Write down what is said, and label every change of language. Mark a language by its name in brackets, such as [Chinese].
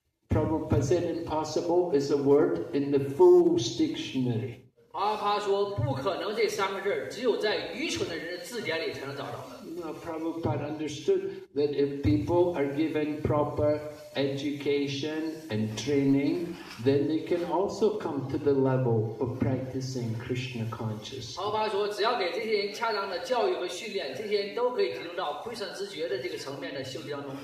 [English] Prabhupada said impossible is a word in the fool's dictionary. [Chinese] 他说不可能这三个字只有在愚蠢的人字典里才能找到。 [English] Prabhupada understood that if people are given proper education and training, then they can also come to the level of practicing Krishna consciousness. [Chinese] 他说只要给这些人恰当的教育和训练，这些人都可以进入到归善自觉的这个层面的修习当中。